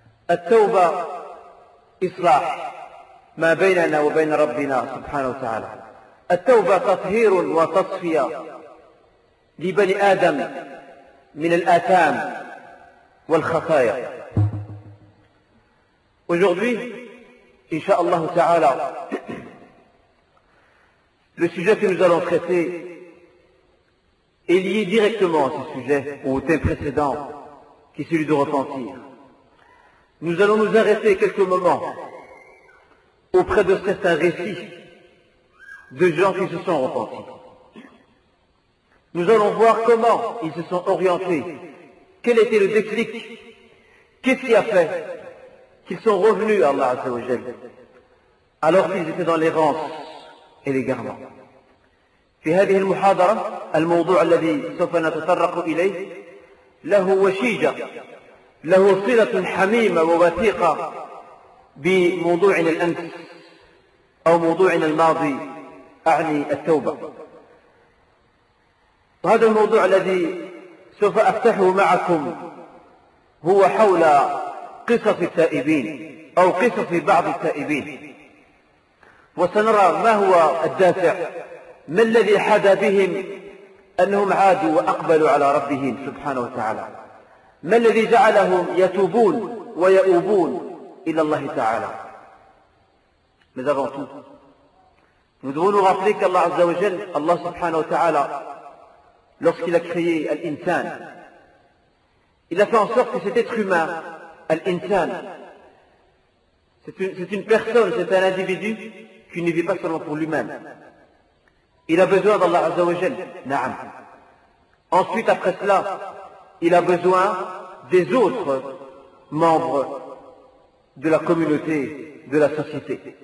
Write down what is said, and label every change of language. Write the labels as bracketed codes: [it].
[ar] التوبة إصلاح ما بيننا وبين ربنا سبحانه وتعالى. التوبة تطهير وتصفية لبني آدم من الآثام والخطايا. [fr] Aujourd'hui, [ar] إن شاء الله تعالى, [fr] le sujet que nous allons traiter est lié directement à ce sujet, au thème précédent, qui est celui de repentir. Nous allons nous arrêter quelques moments auprès de certains récits de gens qui se sont repentis. Nous allons voir comment ils se sont orientés, quel était le déclic, qu'est-ce qui a fait qu'ils sont revenus à Allah Azza wa Jal, alors qu'ils étaient dans l'errance et l'égarement. [ar] في هذه المحاضرة الموضوع الذي سوف نتطرق إليه له وشيجة، له صلة حميمة ووثيقة بموضوعنا الأمس أو موضوعنا الماضي، أعني التوبة. وهذا الموضوع الذي سوف أفتحه معكم هو حول قصص التائبين أو قصص بعض التائبين، وسنرى ما هو الدافع، ما الذي حدا بهم أنهم عادوا وأقبلوا على ربهم سبحانه وتعالى، ما الذي جعلهم يتوبون ويؤوبون إلى الله تعالى. ماذا غرتو ندون غفلك الله عز وجل. الله سبحانه وتعالى [fr] lorsqu'il a créé الإنسان il a fait en sorte que cet être humain الإنسان c'est une personne, c'est un individu qui ne vit pas seulement pour lui-même. Il a besoin d'Allah Azza wa Jal. Na'am. Ensuite, après cela, il a besoin des autres membres de la communauté de la société.